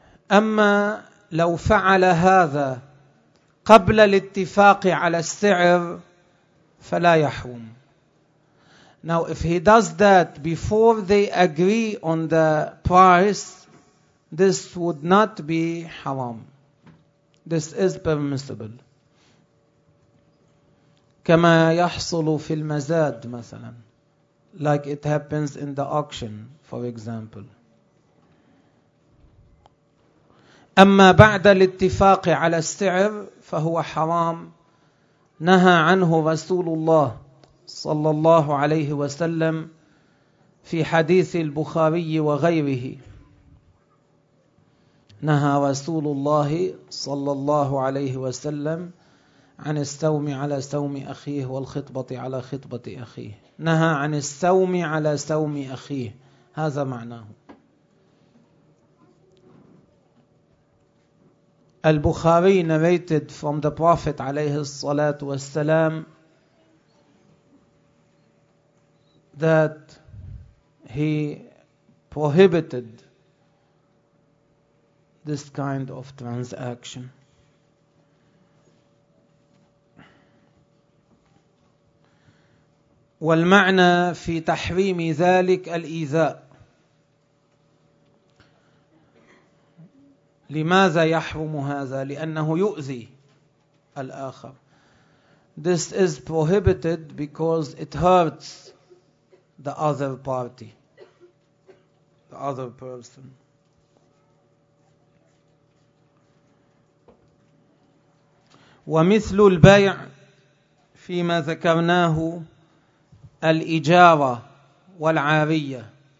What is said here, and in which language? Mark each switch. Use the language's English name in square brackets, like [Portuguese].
[Arabic] أما لو فعل هذا قبل الاتفاق على السعر فلا يحوم. [English] Now if he does that before they agree on the price, this would not be haram. This is permissible. [Arabic] كما يحصل في المزاد مثلا. [English] Like it happens in the auction, for example. [Arabic] أما بعد الاتفاق على السعر فهو حرام، نهى عنه رسول الله صلى الله عليه وسلم في حديث البخاري وغيره. نهى رسول الله صلى الله عليه وسلم عن السوم على سوم أخيه والخطبة على خطبة أخيه. نهى عن السوم على سوم أخيه، هذا معناه. [English] Al-Bukhari narrated from the Prophet alayhi salatu wasalam that he prohibited this kind of transaction. [Arabic] والمعنى في تحريم ذلك الإيذاء. لماذا يحرم هذا؟ لأنه يؤذي الآخر. [English] This is prohibited because it hurts the other party, the other person. [Arabic] ومثل البيع فيما ذكرناه الإجارة والعارية.